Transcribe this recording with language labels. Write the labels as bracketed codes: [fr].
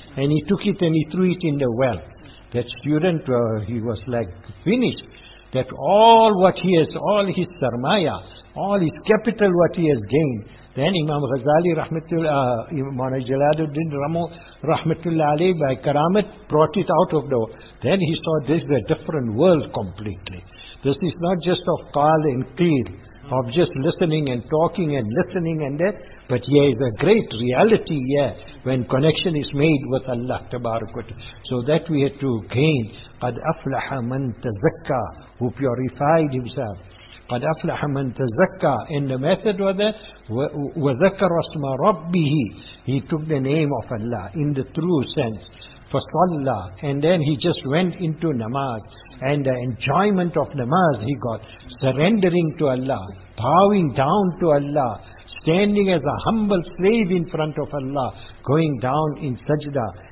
[en] And he took it and he threw it in the well. That student, he was like finished, that all what he has, all his sarmaya, all his capital what he has gained, then Imam Ghazali, Imam Jalaluddin Ramo, rahmatullah alayhi, by karamat, brought it out of the... Then he saw this is a different world completely. This is not just of qal and qeel, of just listening and talking and listening and that, but here is a great reality here, when connection is made with Allah, tabarakat. So that we had to gain. [ar] قَدْ أَفْلَحَ مَنْ تَزَكَّى, [en] who purified himself. [ar] قَدْ أَفْلَحَ مَنْ تَزَكَّى, [en] and the method was that [ar] وَذَكَّرَ اسْمَ رَبِّهِ, [en] he took the name of Allah in the true sense. فَصَلَّى, and then he just went into namaz, and the enjoyment of namaz he got, surrendering to Allah, bowing down to Allah, standing as a humble slave in front of Allah, going down in sajda.